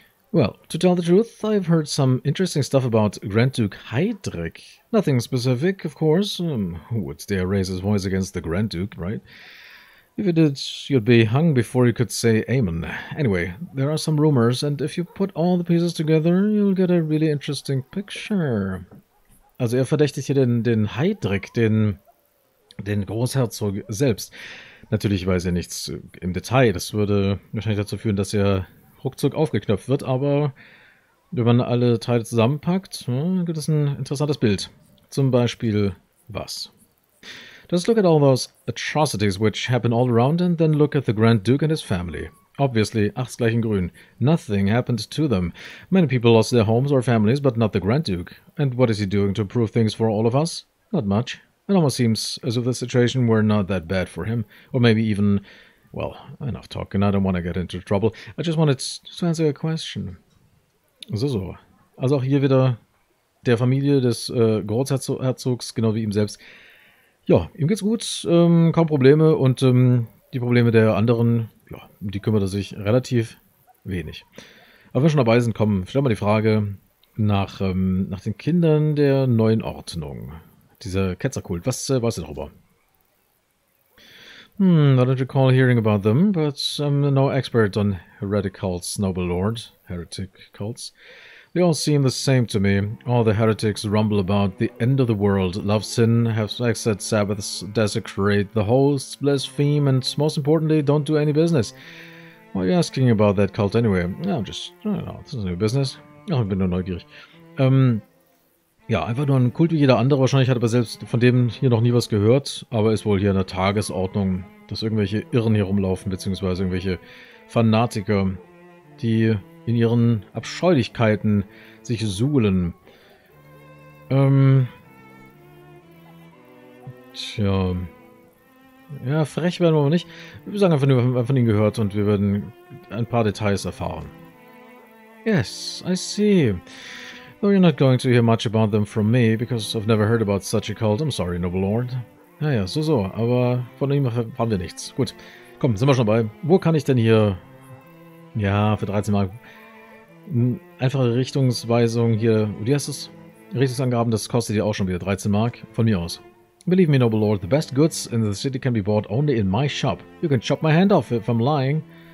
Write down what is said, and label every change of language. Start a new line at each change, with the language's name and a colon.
English: Well, to tell the truth, I've heard some interesting stuff about Grand Duke Heydrich. Nothing specific, of course. Who would dare raise his voice against the Grand Duke, right? If you did, you'd be hung before you could say amen. Anyway, there are some rumors, and if you put all the pieces together, you'll get a really interesting picture.
German: Also er verdächtigt hier den Heydrich, den Großherzog selbst. Natürlich weiß er nichts im Detail. Das würde wahrscheinlich dazu führen, dass er ruckzuck aufgeknöpft wird, aber wenn man alle Teile zusammenpackt, gibt es ein interessantes Bild. Zum Beispiel was?
English: Just look at all those atrocities which happen all around and then look at the Grand Duke and his family. Obviously,
German: ach's gleich in grün.
English: Nothing happened to them. Many people lost their homes or families, but not the Grand Duke. And what is he doing to improve things for all of us? Not much. It almost seems as if the situation were not that bad for him. Or maybe even... Well, enough talking, I don't want to get into trouble. I just wanted to answer a question. So.
German: Also auch hier wieder der Familie des Großherzogs, genau wie ihm selbst. Ja, ihm geht's gut, kaum Probleme und die Probleme der anderen, ja, die kümmert er sich relativ wenig. Aber wenn wir schon dabei sind, komm, stell mal die Frage nach den Kindern der neuen Ordnung. Dieser Ketzerkult, was weißt du darüber?
English: I don't recall hearing about them, but I'm no expert on heretic cults, noble lord. Heretic cults? They all seem the same to me. All the heretics rumble about the end of the world, love sin, have sex at Sabbaths, desecrate the hosts, blaspheme, and most importantly, don't do any business. Why are you asking about that cult anyway? No, I'm just, I don't know, this is no business.
German: Oh, ich bin nur neugierig. Ja, einfach nur ein Kult wie jeder andere. Wahrscheinlich hat aber selbst von dem hier noch nie was gehört. Aber ist wohl hier in der Tagesordnung, dass irgendwelche Irren hier rumlaufen, beziehungsweise irgendwelche Fanatiker, die in ihren Abscheulichkeiten sich suhlen. Tja. Ja, frech werden wir aber nicht. Wir sagen einfach nur, wir haben von ihnen gehört und wir werden ein paar Details erfahren.
English: Yes, I see. Though you're not going to hear much about them from me, because I've never heard about such a cult. I'm sorry, noble lord.
German: Naja, so, aber von ihm haben wir nichts. Gut, komm, sind wir schon dabei. Wo kann ich denn hier, ja, für 13 Mark, eine einfache Richtungsweisung hier, wie heißt das? Richtungsangaben, das kostet dir auch schon wieder 13 Mark. Von mir aus.
English: Believe me, noble lord, the best goods in the city can be bought only in my shop. You can chop my hand off if I'm lying.